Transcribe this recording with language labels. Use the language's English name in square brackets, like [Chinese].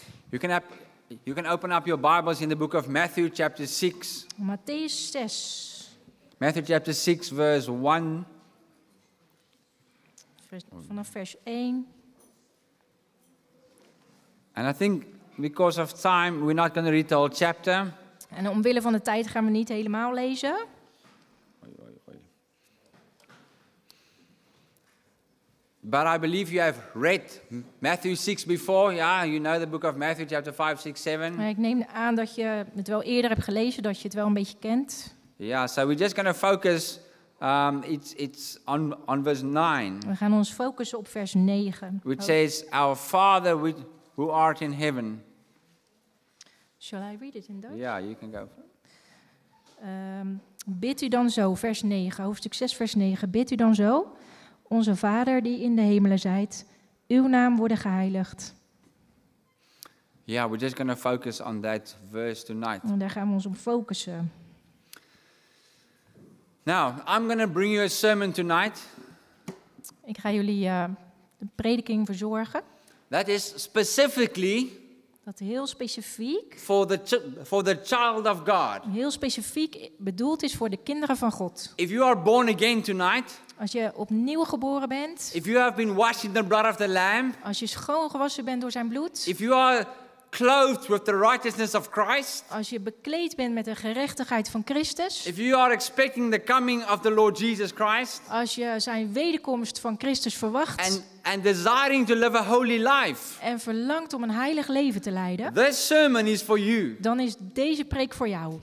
[English] You can open up your Bibles in the book of Matthew chapter 6. [Dutch] Matthäus 6. [English] Matthew chapter 6 verse 1. [Dutch] Vanaf vers 1. [English] And I think because of time we're not going to read the whole chapter. [Dutch] En omwille van de tijd gaan we niet helemaal lezen. [English] But I believe you have read Matthew 6 before. Yeah, you know the book of Matthew, chapter 5, 6, 7. [Dutch] Maar ik neem aan dat je het wel eerder hebt gelezen, dat je het wel een beetje kent. [English] Yeah, so we're just going to focus it's on verse 9. [Dutch] We gaan ons focussen op vers 9. [English] Which says, Our Father who art in heaven. Shall I read it in Dutch? Yeah, you can go for it. [Dutch] Bid u dan zo, vers 9, hoofdstuk 6, vers 9. Bid u dan zo... Onze Vader die in de hemelen zijt, uw naam worden geheiligd. [English] Yeah, we're just going to focus on that verse tonight. [Dutch] En daar gaan we ons op focussen. [English] Now, I'm going to bring you a sermon tonight. [Dutch] Ik ga jullie de prediking verzorgen. [English] That is specifically. [Dutch] Dat heel specifiek. [English] For the child of God. [Dutch] Heel specifiek bedoeld is voor de kinderen van God. [English] If you are born again tonight. [Dutch] Als je opnieuw geboren bent. [English] If you have been washed in the blood of the Lamb. [Dutch] Als je schoon gewassen bent door zijn bloed. [English] If you are clothed with the righteousness of Christ. [Dutch] Als je bekleed bent met de gerechtigheid van Christus. [English] If you are expecting the coming of the Lord Jesus Christ. [Dutch] Als je zijn wederkomst van Christus verwacht. [English] And desiring to live a holy life. [Dutch] En verlangt om een heilig leven te leiden. [English] This sermon is for you. [Dutch] Dan is deze preek voor jou.